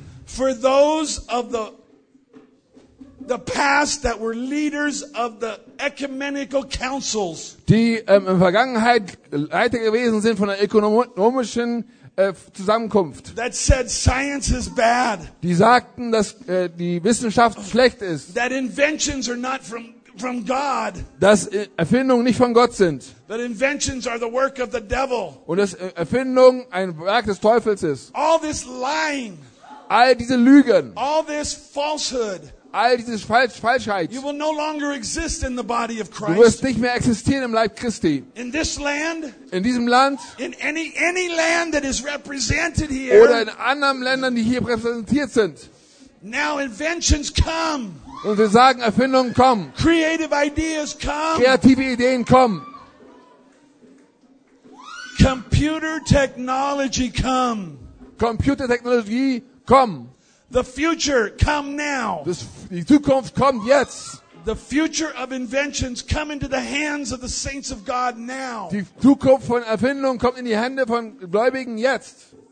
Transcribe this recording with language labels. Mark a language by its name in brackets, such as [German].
[English] For those of the past that were leaders of the ecumenical councils. [German] Die in Vergangenheit Leiter gewesen sind von der ökonomischen Zusammenkunft. [English] That said science is bad. [German] Die sagten, dass die Wissenschaft schlecht ist. [English] That inventions are not from God. [German] Dass Erfindungen nicht von Gott sind. [English] That inventions are the work of the devil. [German] Und dass Erfindungen ein Werk des Teufels ist. [English] All this lying. [German] All diese Lügen. [English] All this falsehood. [German] All diese Falschheit. [English] You will no longer exist in the body of Christ. [German] Du wirst nicht mehr existieren im Leib Christi. [English] In this land. [German] In diesem Land. [English] In any land that is represented here. [German] Oder in anderen Ländern, die hier repräsentiert sind. [English] Now inventions come. [German] Und wir sagen, Erfindungen kommen. [English] Creative ideas come. [German] Kreative Ideen kommen. [English] Computer technology come. [German] Computer Technologie komm. [English] The future come now. [German] Die Zukunft kommt jetzt. [English] The future of inventions come into the hands of the saints of God now. [German] Die Zukunft von Erfindungen kommt in die Hände von Gläubigen jetzt.